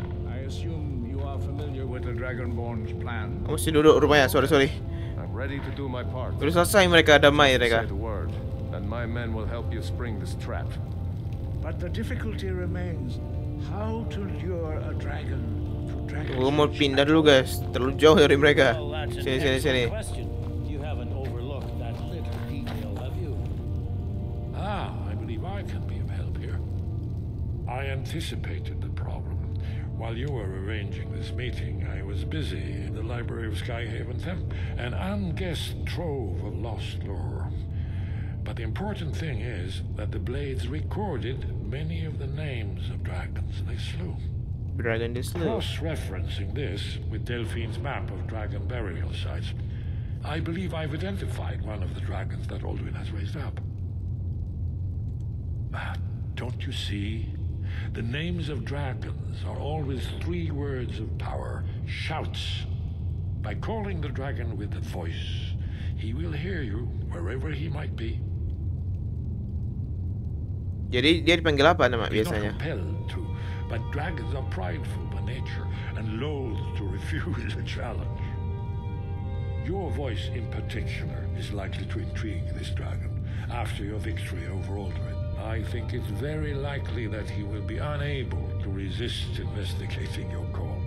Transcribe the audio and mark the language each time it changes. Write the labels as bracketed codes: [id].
[en] I assume you are familiar with the Dragonborn's plan. [id] Mesti duduk rupanya. Sorry. [en] I'm ready to do my part. [id] Sudah selesai mereka, damai mereka. [en] Say the word, and my men will help you spring this trap. But the difficulty remains, how to lure a dragon to dragon. [id] Gua mau pindah dulu guys, terlalu jauh dari mereka. Sini. Question. [en] You haven't overlooked that little detail, have you? Ah, I believe I can be of help here. I anticipated the problem. While you were arranging this meeting, I was busy in the library of Skyhaven Temple, an unguessed trove of lost lore. But the important thing is that the blades recorded many of the names of dragons they slew. Dragon they slew. Cross-referencing this with Delphine's map of dragon burial sites, I believe I've identified one of the dragons that Alduin has raised up. But don't you see? The names of dragons are always three words of power, shouts. By calling the dragon with a voice, he will hear you wherever he might be. [id] Jadi dia dipanggil apa nama biasanya? [en] To, but dragons are prideful by nature and loath to refuse a challenge. Your voice in particular is likely to intrigue this dragon after your victory over Alduin. I think it's very likely that he will be unable to resist investigating your call.